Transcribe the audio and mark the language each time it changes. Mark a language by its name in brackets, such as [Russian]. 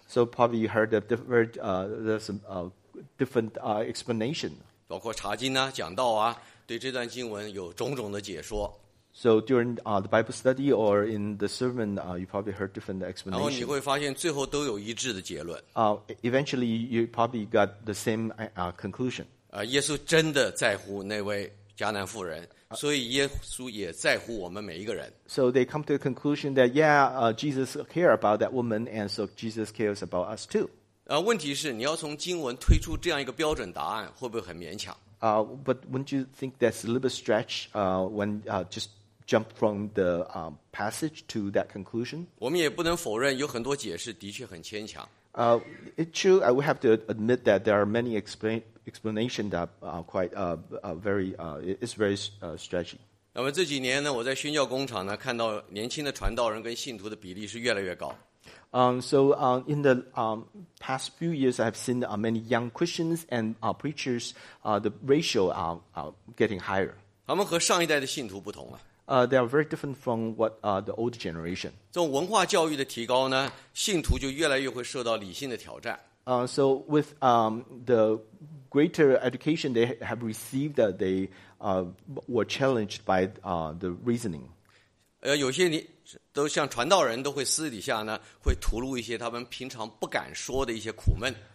[English] So probably you heard of different there's some different explanation. [Chinese] 包括查经啊，讲道啊，对这段经文有种种的解说。 [English] So during the Bible study or in the sermon, you probably heard different explanations. [Chinese] 然后你会发现最后都有一致的结论。 [English] Eventually, you probably got the same conclusion. [Chinese] 耶稣真的在乎那位迦南妇人。所以耶稣也在乎我们每一个人。 [English] So they come to the conclusion that Jesus cares about that woman, and so Jesus cares about us too. [Chinese] 问题是你要从经文推出这样一个标准答案，会不会很勉强？ [English] But wouldn't you think that's a little bit stretch? When just jump from the passage to that conclusion? [Chinese] 我们也不能否认有很多解释的确很牵强。 [English] It's true. I would have to admit that there are many explanations that are quite very stretchy. [Chinese] 那么这几年呢，我在宣教工厂呢，看到年轻的传道人跟信徒的比例是越来越高。 [English] So in the past few years, I've seen many young Christians and preachers. The ratio are getting higher. [Chinese] 他们和上一代的信徒不同了。 [English] They are very different from what the old generation. [Chinese] 这种文化教育的提高呢，信徒就越来越会受到理性的挑战。 [English] So with the greater education they have received, they were challenged by the reasoning. [Chinese] 有些你都像传道人都会私底下呢，会吐露一些他们平常不敢说的一些苦闷。